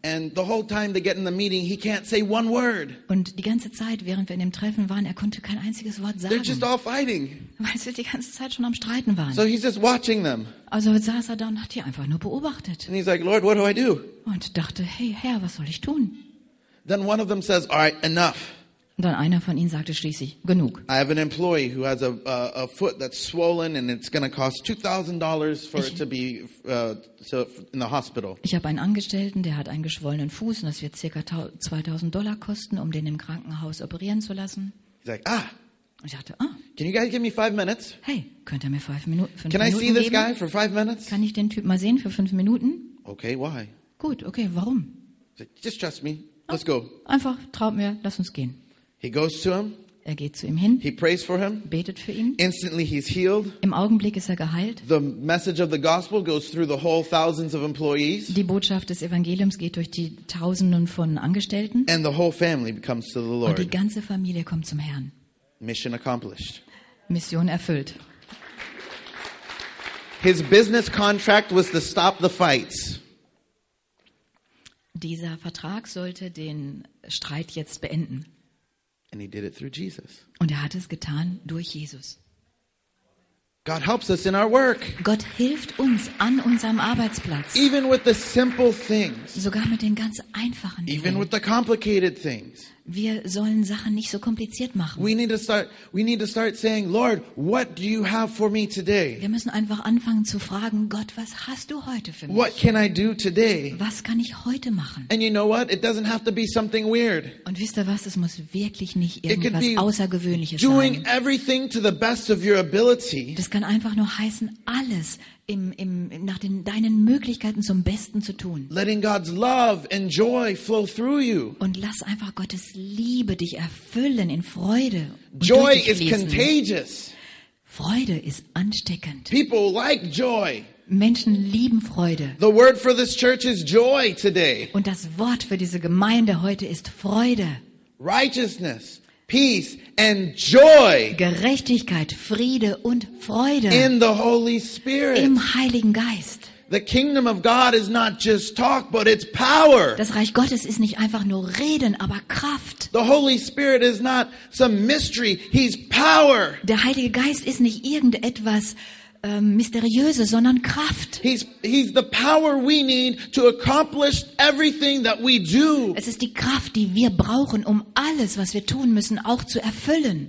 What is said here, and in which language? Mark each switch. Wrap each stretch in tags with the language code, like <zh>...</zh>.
<en>And the whole time they get in the meeting, he can't say one word.</en> <de>Und die ganze Zeit, während wir in dem Treffen waren, er konnte kein einziges Wort sagen.</de> <en>They're just all fighting.</en> <de>Weil sie die ganze Zeit schon am Streiten waren.</de> <en>So he's just watching them.</en> <de>Also saß er da und hat die einfach nur beobachtet.</de> <en>And he's like, Lord, what do I do?</en> <de>Und dachte, hey Herr, was soll ich tun?</de> <en>Then one of them says, all right, enough.</en> <de>Dann einer von ihnen sagte schließlich, genug.</de> <en>I have an employee who has a foot that's swollen and it's going to cost $2,000 for it to be in the hospital.</en> <de>Ich habe einen Angestellten, der hat einen geschwollenen Fuß und das wird ca. $2,000 kosten, um den im Krankenhaus operieren zu lassen.</de> <en>He's like, ah.</en> <de>Und ich dachte, ah.</de> <en>Can you guys give me 5 minutes?</en> <de>Hey, könnt ihr mir 5 Minuten geben?</de> <en>Can I see this guy for 5 minutes?</en> <de>Kann ich den Typ mal sehen für 5 Minuten?</de> <en>Okay, why?</en> <de>Gut, okay, warum?</de> <en>Just trust me. Let's go.</en> <de>Einfach, traut mir, lass uns gehen.</de> <en>He goes to him.</en> <de>Er geht zu ihm hin.</de> <en>He prays for him.</en> <de>Betet für ihn.</de> <en>Instantly he's healed.</en> <de>Im Augenblick ist er geheilt.</de> <en>The message of the gospel goes through the whole thousands of employees.</en> <de>Die Botschaft des Evangeliums geht durch die Tausenden von Angestellten.</de> <en>And the whole family becomes to the Lord.</en> <de>Und die ganze Familie kommt zum Herrn.</de> <en>Mission accomplished.</en> <de>Mission erfüllt.</de> <en>His business contract was to stop the fights.</en> <de>Dieser Vertrag sollte den Streit jetzt beenden.</de> <en>And he did it through Jesus.</en> <de>Und er hat es getan durch Jesus.</de> <en>God helps us in our work.</en> <de>Gott hilft uns an unserem Arbeitsplatz.</de> <en>Even with the simple things.</en> <de>Sogar mit den ganz einfachen Dingen.</de> <en>Even with the complicated things.</en> <de>Wir sollen Sachen nicht so kompliziert machen.</de> <en>We need to start saying, Lord, what do you have for me today?</en> <de>Wir müssen einfach anfangen zu fragen, Gott, was hast du heute für mich?</de> <en>What can I do today?</en> <de>Was kann ich heute machen?</de> <en>And you know what? It doesn't have to be something weird.</en> <de>Und wisst ihr was? Es muss wirklich nicht irgendwas Außergewöhnliches sein.</de> <en>Doing everything to the best of your ability.</en> <de>Das kann einfach nur heißen, alles nach deinen Möglichkeiten zum Besten zu tun.</de> <en>Letting God's love and joy flow through you.</en> <de>Und lass einfach Gottes Liebe dich erfüllen in Freude.</de> <en>Joy is contagious.</en> <de>Freude ist ansteckend.</de> <en>People like joy.</en> <de>Menschen lieben Freude.</de> <en>The word for this church is joy today.</en> <de>Und das Wort für diese Gemeinde heute ist Freude.</de> <en>Righteousness. Peace and joy.</en> <de>Gerechtigkeit, Friede und Freude.</de> <en>In the Holy Spirit.</en> <de>Im Heiligen Geist.</de> <en>The kingdom of God is not just talk, but it's power.</en> <de>Das Reich Gottes ist nicht einfach nur reden, aber Kraft.</de> <en>The Holy Spirit is not some mystery, he's power.</en> <de>Der Heilige Geist ist nicht irgendetwas mysteriöse, sondern Kraft.</de> <en>He's the power we need to accomplish everything that we do.</en> <de>Es ist die Kraft, die wir brauchen, um alles, was wir tun müssen, auch zu erfüllen.</de>